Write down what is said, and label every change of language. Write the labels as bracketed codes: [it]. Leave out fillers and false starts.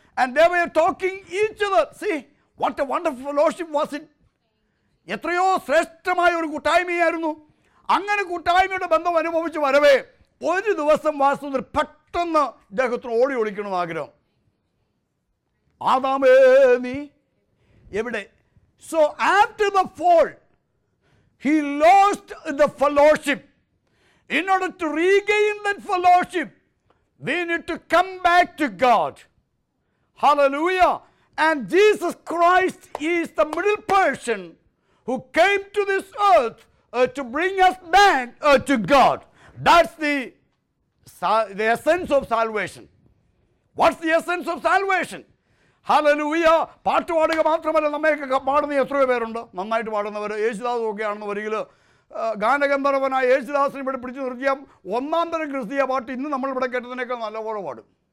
[en] And they were talking each other. See, what a wonderful fellowship was it. [ml] എത്രയോ ശ്രേഷ്ഠമായ ഒരു കൂട്ടായ്മയായിരുന്നു. അങ്ങനെ കൂട്ടായ്മയുടെ ബന്ധം അനുഭവിച്ച് വരവേ ഒരു ദിവസം വാസുദേവൻ പെട്ടെന്ന് ഇദ്ദേഹത്തിന് ഓടി ഒളിക്കണമെന്ന് ആഗ്രഹം. ആദാമേ നീ എവിടെ? [en] So after the fall he lost the fellowship. In order to regain that fellowship we need to come back to God. Hallelujah. And Jesus Christ is the middle person who came to this earth to bring us back to God. That's the essence of salvation. What's the essence of salvation? [ml] Hallelujah പാട്ട് പാടുക മാത്രമല്ല നമ്മയൊക്കെ പാടുന്ന എത്രയോ പേരുണ്ട്, നന്നായിട്ട് പാടുന്നവർ യേശുദാസ് ഒക്കെയാണെന്ന് വരികിൽ ഗാനഗന്ധർവനായ യേശുദാസിനെ ഇവിടെ പിടിച്ചു നിർത്തിയ ഒന്നാം തരം ക്രിസ്തീയ പാട്ട് ഇന്ന് നമ്മളിവിടെ കേട്ടതിനേക്കാൾ നല്ലപോലെ പാടും.